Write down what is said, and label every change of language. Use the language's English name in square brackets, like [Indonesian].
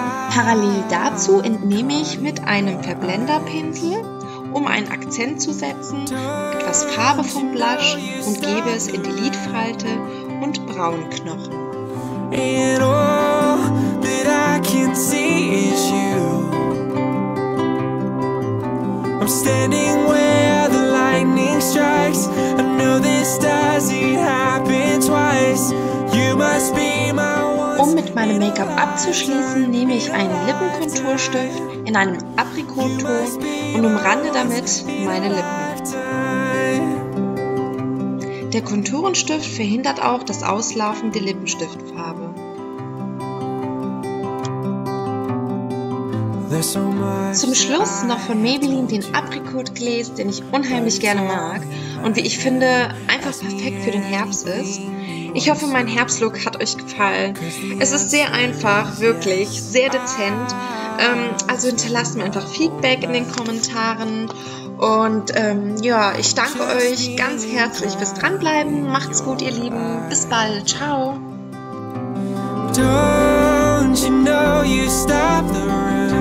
[German] Parallel dazu entnehme ich mit einem Verblenderpinsel, um einen Akzent zu setzen, etwas Farbe vom Blush und gebe es in die Lidfalte und Brauenknochen. [English] And all that I can see is you. I'm standing where the lightning strikes. I know this doesn't happen twice. You must be my one. [German] Um mit meinem Make-up abzuschließen, nehme ich einen Lippenkonturstift in einem Aprikoton und umrande damit meine Lippen. Der Konturenstift verhindert auch das Auslaufen der Lippenstiftfarbe. Zum Schluss noch von Maybelline den Apricot Glaze, den ich unheimlich gerne mag und wie ich finde einfach perfekt für den Herbst ist. Ich hoffe, mein Herbstlook hat euch gefallen. Es ist sehr einfach, wirklich sehr dezent. Also hinterlasst mir einfach Feedback in den Kommentaren. Und ja, ich danke euch ganz herzlich fürs Dranbleiben. Macht's gut, ihr Lieben. Bis bald. [English] Ciao. Don't you know you stop the rain?